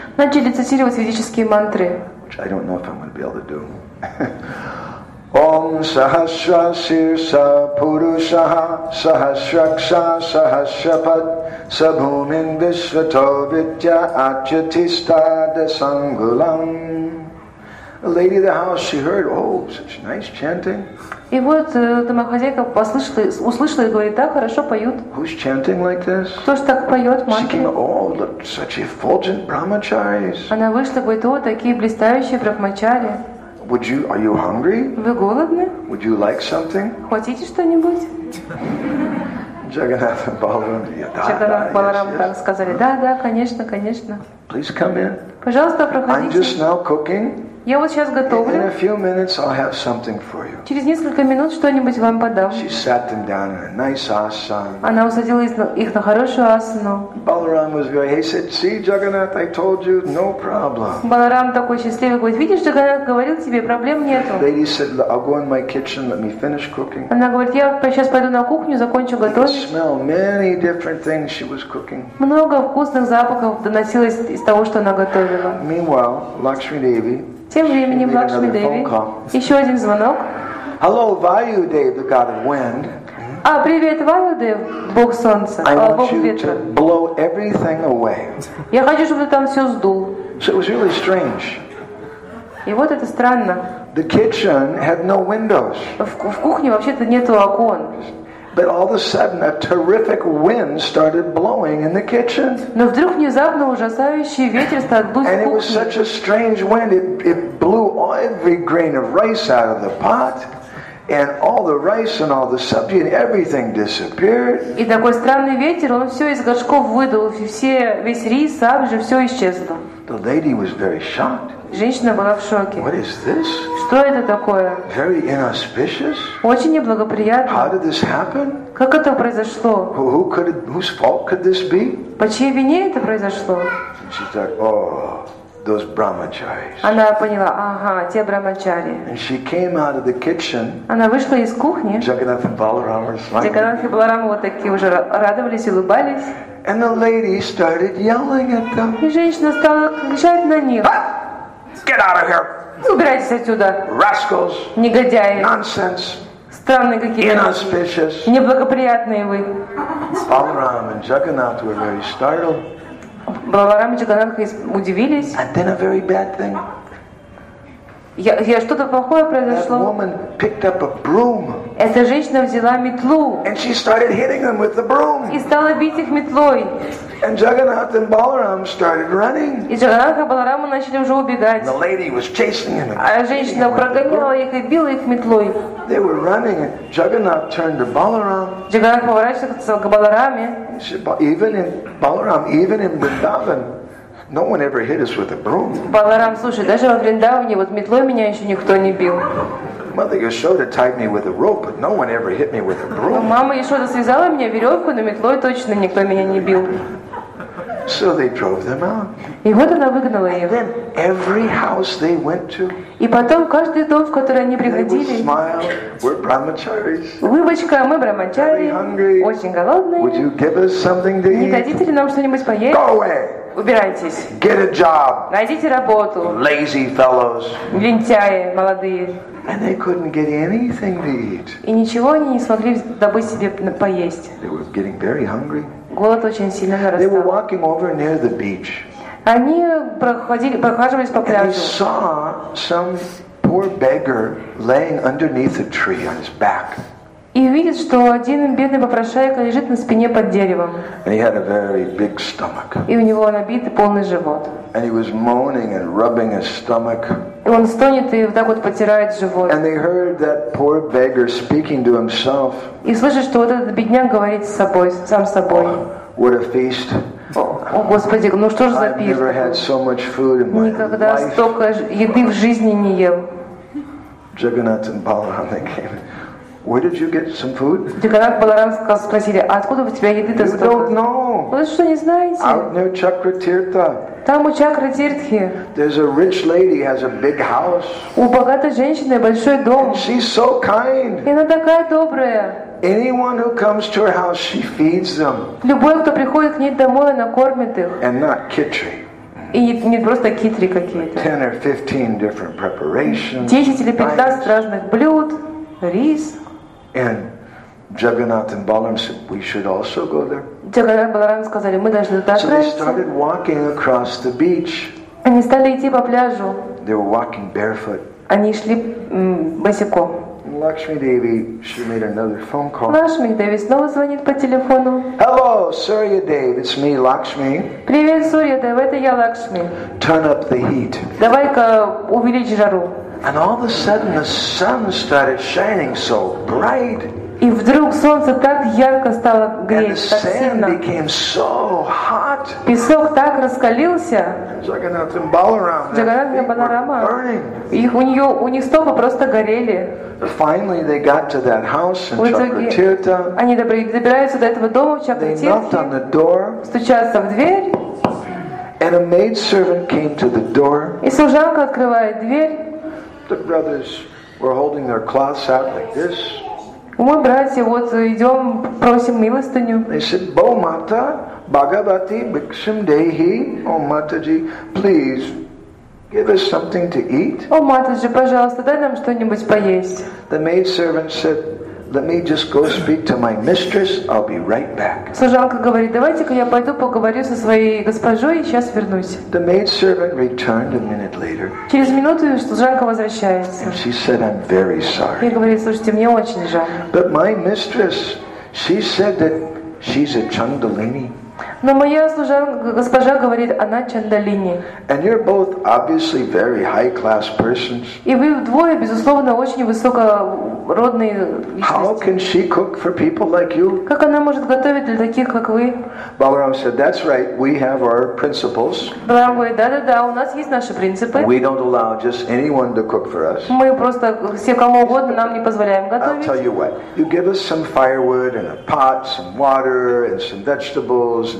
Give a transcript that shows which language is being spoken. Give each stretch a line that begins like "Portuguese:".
Russian: Начали цитировать ведические мантры.
English: Which I don't know if I'm going to be able to do.
Sanskrit: Om Sahasra Sirsa Purushaha Sahasraksha Sahasrapat Sabhumin Vishvato Vidya Achyatista Desangulam.
English: The lady of the house, she heard, oh, such nice chanting.
Russian: И вот домохозяйка услышала и говорит, да, хорошо поют.
English: Who's chanting like this?
Russian: Кто ж так поет, мантры?
English: She came, oh, look, such effulgent brahmacharis.
Russian: Она вышла и говорит, о, такие блистающие брахмачари.
English: Would you? Are you hungry?
Russian: Вы голодны?
English: Would you like something?
Russian: Хотите что-нибудь? Джаганатхом Баларам, так сказали, да, конечно, конечно.
English: Please come in.
Russian: Пожалуйста, проходите.
English: I'm just now cooking.
Russian: Я вот сейчас готовлю.
English: In a few minutes I'll have something for you.
Russian: Через несколько минут что-нибудь вам подам.
English: She sat them down in a nice asana.
Russian: Она усадила их на хорошую асану.
English: Balaram was very, he said, see, Jagannath, I told you, no problem.
Russian: Баларам такой счастливый, говорит, видишь, Джаганатх говорил тебе, проблем нету.
English: Lady said, I'll go in my kitchen, let me finish cooking.
Russian: Она говорит, я сейчас пойду на кухню, закончу готовить.
English: I could smell many different things she was cooking.
Russian: Много вкусных запахов доносилось из того, что она готовила.
English: Meanwhile, Lakshmi Devi.
Russian: Тем временем Лакшми Деви. Еще один звонок.
English: Hello, Vayu Dev, the god of wind.
Russian: А, привет, Vayu Dev, бог солнца,
English: I want
Russian: бог
English: you
Russian: ветра.
English: To blow everything away.
Russian: Я хочу, чтобы ты там все сдул.
English: So it was really strange.
Russian: И вот это странно.
English: The kitchen had no windows.
Russian: В кухне вообще-то нету окон.
English: But all of a sudden, a terrific wind started blowing in the kitchen.
Russian: Но вдруг внезапно ужасающий ветер стал дуть в кухне.
English: And it was such a strange wind; it blew every grain of rice out of the pot, and all the rice and all the sabji and everything disappeared.
Russian: И такой странный ветер, он все из горшков выдул, весь рис, сабжи, все исчезло.
English: The lady was very shocked.
Russian: Женщина была в шоке.
English: What is this?
Russian: Что это такое?
English: Very inauspicious.
Russian: Очень неблагоприятно.
English: How did this happen?
Russian: Как это произошло?
English: Who could it, whose fault could this be?
Russian: По чьей вине это произошло?
English: And she said, oh, those brahmacharis.
Russian: Она поняла, ага, те брахмачари.
English: And she came out of the kitchen.
Russian: Она вышла из кухни. Джаганатх и Баларама вот такие уже радовались и улыбались.
English: And the lady started yelling at them.
Russian: И женщина стала кричать на них.
English: Get out of here!
Russian: Убирайтесь отсюда!
English: Rascals!
Russian: Негодяи!
English: Nonsense!
Russian: Странные какие-то!
English: Inauspicious!
Russian: Неблагоприятные вы!
English: Balaram and Jagannath were very startled.
Russian: Баларам и Джаганатх удивились.
English: And then a very bad thing.
Russian: Я что-то плохое произошло.
English: That woman picked up a broom.
Russian: Эта женщина взяла метлу.
English: And she started hitting them with the broom.
Russian: И стала бить их метлой.
English: And Jagannath and Balaram started running.
Russian: И Джаганатх и Баларам начали уже убегать.
English: And the lady was chasing them.
Russian: А женщина прогоняла их и била их метлой.
English: They were running, and Jagannath turned to Balaram.
Russian: Джаганатх поворачивается к Балараме.
English: Even in Vrindavan. No one ever hit us with a broom.
Russian: Баларам, слушай, даже во Вриндаване вот метлой меня еще никто не бил.
English: Mother Yashoda tied me with a rope, but no one ever hit me with a broom.
Russian: Мама Яшода связала меня веревку, но метлой точно никто меня не бил.
English: So they drove them out.
Russian: И вот она выгнала их.
English: And then every house they went to.
Russian: И потом каждый дом, в который они приходили.
English: Smile, we're brahmacharis.
Russian: Улыбочка, мы брахмачари. Очень голодные.
English: Would you give us something to eat?
Russian: Не дадите ли нам что-нибудь поесть?
English: Go away.
Russian: Убирайтесь.
English: Get a job.
Russian: Найдите работу.
English: Lazy fellows.
Russian: Лентяи, молодые.
English: And they couldn't get anything to eat.
Russian: И ничего они не смогли добыть себе поесть.
English: They were getting very hungry.
Russian: Голод очень сильно нарастал.
English: They were walking over near the beach.
Russian: Они прохаживались по пляжу.
English: And they saw some poor beggar laying underneath a tree on his back.
Russian: И видит, что один бедный попрошайка лежит на спине под деревом.
English: And he had a very big stomach.
Russian: И у него набитый полный живот.
English: And he was moaning and rubbing his stomach.
Russian: И он стонет и вот так вот потирает живот.
English: And they heard that poor beggar speaking to himself.
Russian: И слышит, что вот этот бедняк говорит с собой, сам с собой.
English: Oh, what a feast.
Russian: О, Господи, ну что же за пир?
English: I've never had so much food in my life.
Russian: Никогда столько еды в жизни не ел.
English: Jagannath and Balaram, they came. Where did you get some food?
Russian: Джаганатх Баларам спросили, а откуда у тебя еды-то столько?
English: You don't know.
Russian: Вы что, не знаете?
English: Out near Chakra Tirtha.
Russian: Там у Чакра Тиртхи.
English: There's a rich lady has a big house.
Russian: У богатой женщины большой дом.
English: And she's so kind.
Russian: И она такая добрая.
English: Anyone who comes to her house, she feeds them.
Russian: Любой, кто приходит к ней домой, она кормит их.
English: And not khichdi.
Russian: И не просто khichdi какие-то.
English: 10 or 15 different preparations.
Russian: 10 или 15 разных блюд, рис.
English: And Jagannath and Balaram said, "We should also go there."
Russian: Джаганатх Баларам сказали, мы должны туда отправиться.
English: So they started walking across the beach.
Russian: Они стали идти по пляжу.
English: They were walking barefoot.
Russian: Они шли босиком.
English: Lakshmi Devi, she made another phone call.
Russian: Лакшми Деви снова звонит по телефону.
English: Hello, Surya Dev, it's me, Lakshmi.
Russian: Привет, Сурья Дев, это я, Лакшми.
English: Turn up the heat.
Russian: Давай-ка увеличь жару.
English: And all of a sudden, the sun started shining so bright.
Russian: И вдруг солнце так ярко стало греть,
English: and
Russian: так сильно.
English: Became so hot.
Russian: Песок так раскалился. Джаганат и Баларама. У них стопы просто горели.
English: Finally they got to that house in Чакратирта.
Russian: Они добираются до этого дома в Чакратирте.
English: They knocked on the door.
Russian: Стучатся в дверь.
English: And a maid servant came to the door.
Russian: И служанка открывает дверь.
English: The brothers were holding their cloths out like this.
Russian: Мы, братья, вот идем, просим милостыню.
English: They said,
Sanskrit: "Bo Mata, Bhagavati, Bhiksham Dehi,
English: O Mataji, please give us something to eat."
Russian: О, Матаджи, пожалуйста, дай нам что-нибудь поесть.
English: The maid servant said, "Let me just go speak to my mistress. I'll be right back."
Russian: Служанка говорит, давайте-ка я пойду поговорю со своей госпожой и сейчас вернусь.
English: The maid servant returned a minute later.
Russian: Через минуту служанка возвращается.
English: And she said, "I'm very sorry."
Russian: И говорит, слушайте, мне очень жаль.
English: But my mistress, she said that she's a Чандалини.
Russian: Но моя служанка, госпожа, говорит, она Чандалини.
English: And you're both obviously very high-class persons.
Russian: И вы вдвое, безусловно, очень высокородные личности.
English: How can she cook for people like you?
Russian: Как она может готовить для таких, как вы?
English: Баларам said, "That's right. We have our principles."
Russian: Баларам говорит, да-да-да, у нас есть наши принципы.
English: We don't allow just anyone to cook for us.
Russian: Мы просто все кому угодно нам не позволяем готовить.
English: I'll tell you what. You give us some firewood and a pot, some water and some vegetables.